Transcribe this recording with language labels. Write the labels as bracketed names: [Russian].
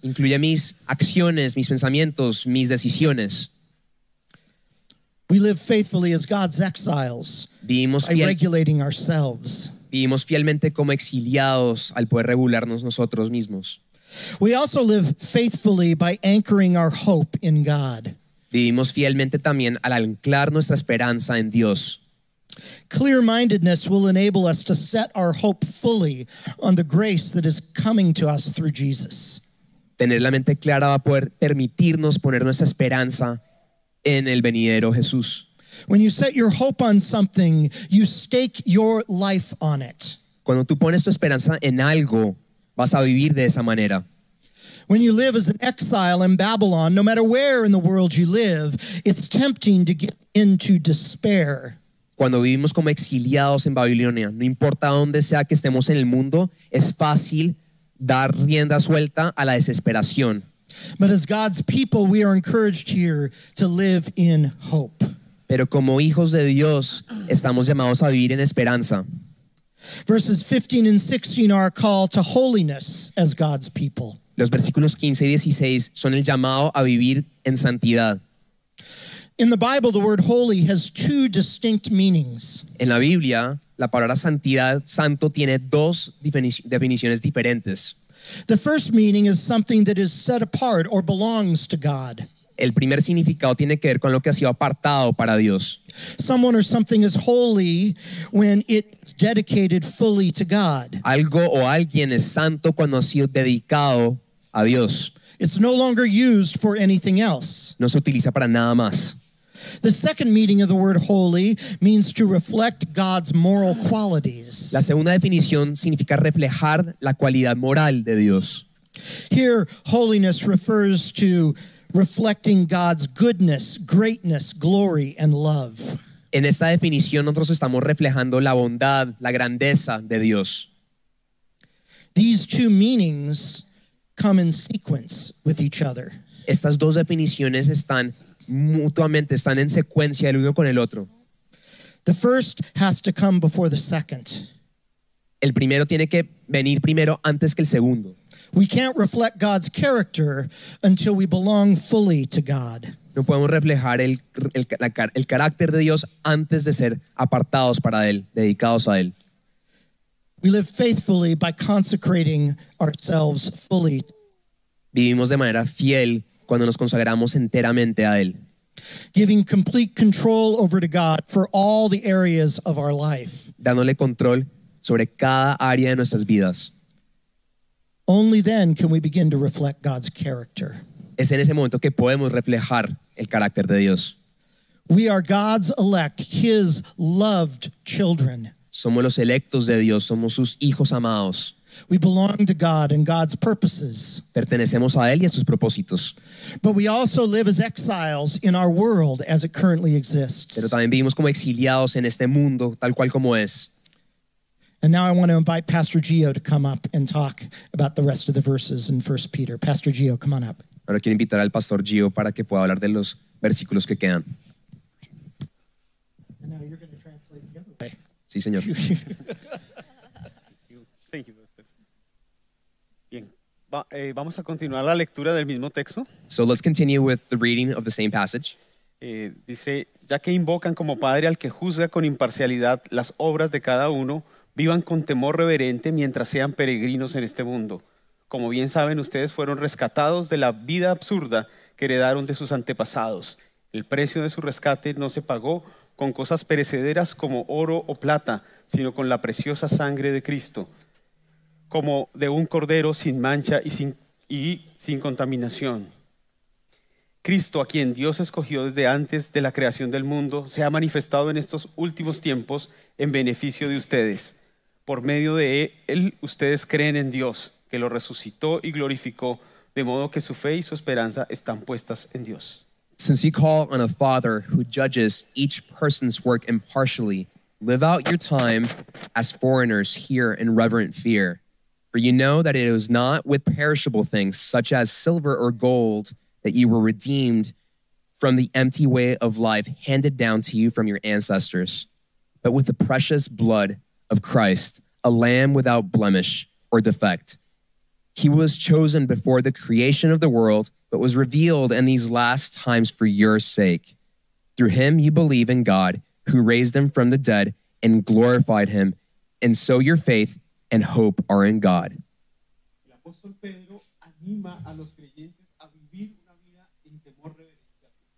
[Spanish] Incluye mis acciones, mis pensamientos, mis decisiones. [English] We live faithfully as God's exiles. [Spanish] Vivimos [English] by regulating ourselves. [Spanish] Vivimos fielmente como exiliados al poder regularnos nosotros mismos. [English] We also live faithfully by anchoring our hope in God. [Spanish] Vivimos fielmente también al anclar nuestra esperanza en Dios. [English] Clear-mindedness will enable us to set our hope fully on the grace that is coming to us through Jesus. [Spanish] Tener la mente clara va a poder permitirnos poner nuestra esperanza en el venidero Jesús. [English] When you set your hope on something, you stake your life on it. [Spanish] Cuando tú pones tu esperanza en algo, vas a vivir de esa manera. [English] When you live as an exile in Babylon, no matter where in the world you live, it's tempting to get into despair. [Spanish] Cuando vivimos como exiliados en Babilonia, no importa dónde sea que estemos en el mundo, es fácil dar rienda suelta a la desesperación. [English] But as God's people, we are encouraged here to live in hope. [Spanish] Pero como hijos de Dios, estamos llamados a vivir en esperanza. [English] Verses 15 and 16 are a call to holiness as God's people. [Spanish] Los versículos 15 y 16 son el llamado a vivir en santidad. [English] In the Bible, the word holy has two distinct meanings. [Spanish] En la Biblia, la palabra santidad, santo, tiene dos definiciones diferentes. [English] The first meaning is something that is set apart or belongs to God. [Spanish] El primer significado tiene que ver con lo que ha sido apartado para Dios. [English] Someone or something is holy when it's dedicated fully to God. [Spanish] Algo o alguien es santo cuando ha sido dedicado a Dios. [English] It's no longer used for anything else. [Spanish] No se utiliza para nada más. [English] The second meaning of the word holy means to reflect God's moral qualities. [Spanish] La segunda definición significa reflejar la cualidad moral de Dios. [English] Here, holiness refers to reflecting God's goodness, greatness, glory, and love. [Spanish] En esta definición, nosotros estamos reflejando la bondad, la grandeza de Dios. [English] These two meanings come in sequence with each other. [Spanish] Estas dos definiciones están mutuamente, están en secuencia el uno con el otro. [English] The first has to come before the second. [Spanish] El primero tiene que venir primero antes que el segundo. [English] We can't reflect God's character until we belong fully to God. [Spanish] No podemos reflejar el carácter de Dios antes de ser apartados para Él, dedicados a Él. [English] We live faithfully by consecrating ourselves fully. [Spanish] Vivimos de manera fiel cuando nos consagramos enteramente a Él. [English] Giving complete control over to God for all the areas of our life. [Spanish] Dándole control sobre cada área de nuestras vidas. [English] Only then can we begin to reflect God's character. [Spanish] Es en ese momento que podemos reflejar el carácter de Dios. [English] We are God's elect, His loved children. [Spanish] Somos los electos de Dios, somos sus hijos amados. [English] We belong to God and God's purposes. [Spanish] Pertenecemos a Él y a sus propósitos. [English] But we also live as exiles in our world as it currently exists. [Spanish] Pero también vivimos como exiliados en este mundo tal cual como es. [English] And now I want to invite Pastor Gio to come up and talk about the rest of the verses in 1 Peter. Pastor Gio, come on up. [Spanish] Ahora quiero invitar al Pastor Gio para que pueda hablar de los versículos que quedan. [English] And now you're going to translate the other way. [Spanish] Sí, señor. [English] Thank you, Joseph. Bien. [Spanish] Vamos a continuar la lectura del mismo texto. [English] So let's continue with the reading of the same passage. [Spanish] Dice, ya que invocan como padre al que juzga con imparcialidad las obras de cada uno, vivan con temor reverente mientras sean peregrinos en este mundo. Como bien saben, ustedes fueron rescatados de la vida absurda que heredaron de sus antepasados. El precio de su rescate no se pagó con cosas perecederas como oro o plata, sino con la preciosa sangre de Cristo, como de un cordero sin mancha y sin contaminación. Cristo, a quien Dios escogió desde antes de la creación del mundo, se ha manifestado en estos últimos tiempos en beneficio de ustedes. Por medio de Él, ustedes creen en Dios, que lo resucitó y glorificó, de modo que su fe y su esperanza están puestas en Dios. [English] Since you call on a father who judges each person's work impartially, live out your time as foreigners here in reverent fear. For you know that it is not with perishable things such as silver or gold that you were redeemed from the empty way of life handed down to you from your ancestors, but with the precious blood of Christ, a lamb without blemish or defect. He was chosen before the creation of the world, but was revealed in these last times for your sake. Through him, you believe in God, who raised him from the dead and glorified him. And so your faith and hope are in God. [Spanish] El apóstol Pedro anima a los creyentes a vivir una vida en temor reverente.